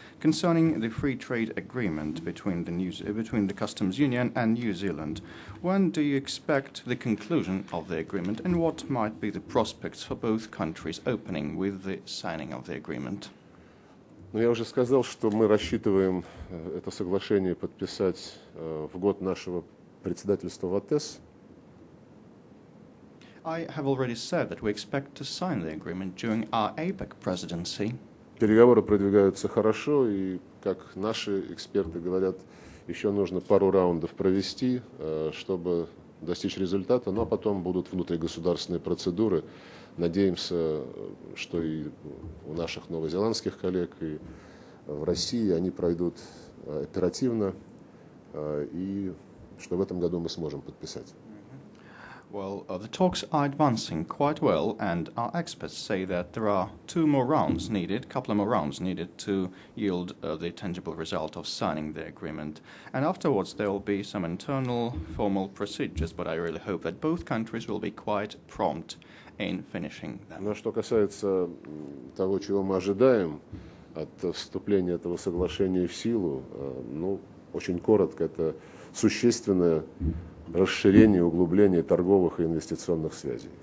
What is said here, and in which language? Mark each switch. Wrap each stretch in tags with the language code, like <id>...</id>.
<en>Concerning the free trade agreement between the Customs Union and New Zealand, when do you expect the conclusion of the agreement and what might be the prospects for both countries opening with the signing of the agreement?</en> <ru>Ну, я уже сказал, что мы рассчитываем это соглашение подписать в год нашего председательства в АТЭС.</ru> <en>I have already said that we expect to sign the agreement during our APEC presidency.</en> <ru>Переговоры продвигаются хорошо, и, как наши эксперты говорят, еще нужно пару раундов провести, чтобы достичь результата, но потом будут внутригосударственные процедуры. Надеемся, что и у наших новозеландских коллег, и в России они пройдут оперативно, и что в этом году мы сможем подписать.</ru> <en>Well, the talks are advancing quite well, and our experts say that there are a couple more rounds needed to yield the tangible result of signing the agreement. And afterwards, there will be some internal formal procedures, but I really hope that both countries will be quite prompt in finishing them.</en> <ru>Но что касается того, чего мы ожидаем от вступления этого соглашения в силу, ну, очень коротко, это существенное расширение, углубление торговых и инвестиционных связей.</ru>